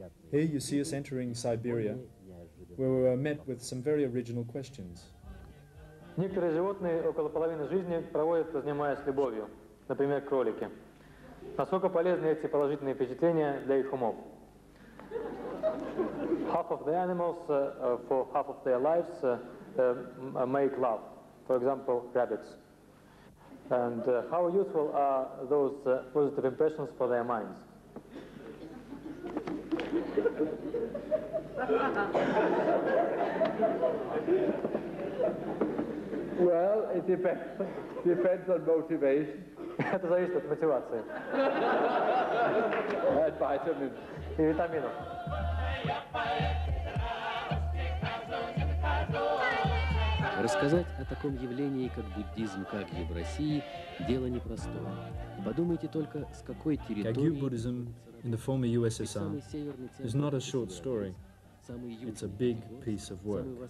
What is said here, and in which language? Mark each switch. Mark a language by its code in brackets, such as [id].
[en] Here you see us entering Siberia, where we were met with some very original questions. [ru] Некоторые животные около половины жизни проводят, занимаясь любовью, например, кролики. Насколько полезны эти положительные впечатления для их умов? [en] Half of the animals for half of their lives make love, for example, rabbits. And how useful are those positive impressions for their minds? Well, it depends on motivation. [ru] Это зависит от мотивации. [en] And vitamins. [ru] И витаминов. Рассказать о таком явлении, как буддизм, как и в России, дело непростое. Подумайте только, с какой территории... [en] In the former USSR, it's not a short story, it's a big piece of work.